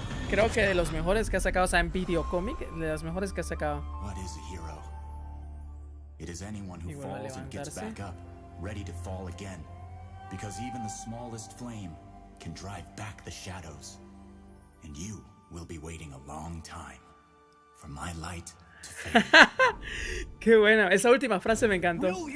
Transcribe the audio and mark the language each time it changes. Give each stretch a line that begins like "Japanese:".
Spanish: Creo que de los mejores que ha sacado, o sea, en videocómic, de los mejores que ha sacado.
English: What is a hero? It is anyone who falls and gets back up, ready to fall again, because even the smallest flame can drive back the shadows, and you will be waiting a long time. For my light to
Spanish: qué bueno, esa última frase me encantó.